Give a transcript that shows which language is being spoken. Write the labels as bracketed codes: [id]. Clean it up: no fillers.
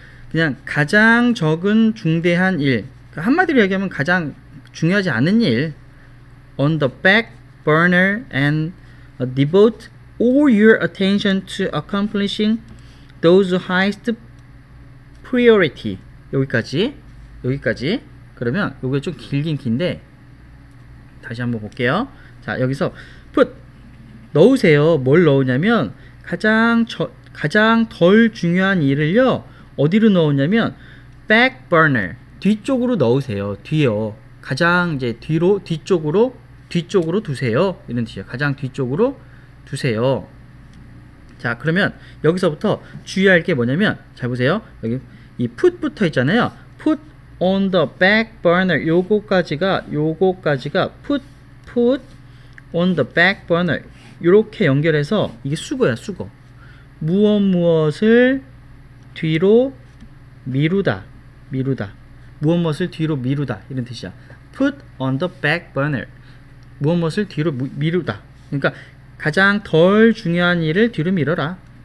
[ko] 그냥 가장 적은 중대한 일. 한마디로 얘기하면 가장 중요하지 않은 일. [en] On the back burner and devote all your attention to accomplishing those highest priority. [ko] 여기까지. 여기까지. 그러면 이게 좀 길긴 긴데 다시 한번 볼게요. 자, 여기서 put 넣으세요. 뭘 넣으냐면 가장 덜 중요한 일을요. 어디로 넣었냐면 back burner 뒤쪽으로 넣으세요. 뒤에요. 가장 이제 뒤로 뒤쪽으로 두세요. 이런 뜻이에요. 가장 뒤쪽으로 두세요. 자, 그러면 여기서부터 주의할 게 뭐냐면 잘 보세요. 여기 이 put부터 있잖아요. [en] put on the back burner [ko] 요거까지가 [en] put on the back burner [ko] 요렇게 연결해서 이게 수거야, 수거. 무엇무엇을 뒤로 미루다. 무엇무엇을 뒤로 미루다. [en] 이런 뜻이야. Put on the back burner. [ko] 무엇무엇을 뒤로 미루다. 그러니까 가장 덜 중요한 일을 뒤로 밀어라.